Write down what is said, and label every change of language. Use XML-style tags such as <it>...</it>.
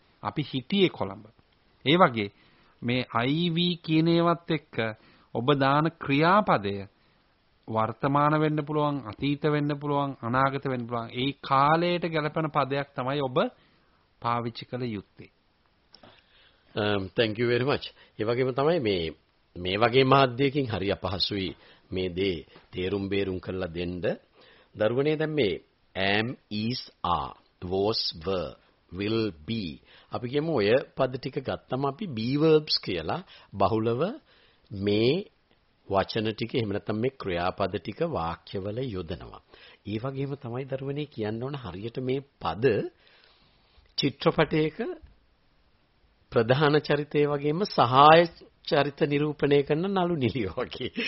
<si>අපි හිටියේ කොළඹ. ඒ වගේ මේ IV කියන ඒවත් එක්ක ඔබ දාන ක්‍රියාපදය වර්තමාන වෙන්න පුළුවන්, අතීත වෙන්න පුළුවන්, අනාගත වෙන්න පුළුවන්. ඒ කාලයට ගැලපෙන පදයක් තමයි ඔබ පාවිච්චි කළ යුත්තේ.</si> <en>Thank you very much.</en> <si>ඒ වගේම තමයි මේ වගේ මාධ්‍යකින් හරි අපහසුයි මේ දේ තේරුම් බේරුම් කරලා දෙන්න. දරුවනේ දැන් මේ am, is, are, was, were, will, be. අපි කියමු ඔය පද ටික ගත්තම අපි be verbs කියලා බහුලව මේ වචන ටික එහෙම නැත්නම් මේ ක්‍රියාපද ටික වාක්‍යවල යොදනවා. ඒ වගේම තමයි දරුවනේ කියන්න ඕන හරියට මේ පද චිත්‍රපටයක ප්‍රධාන චරිතය වගේම සහාය චරිත නිරූපණය කරන නළු නිළියෝ වගේ.</si>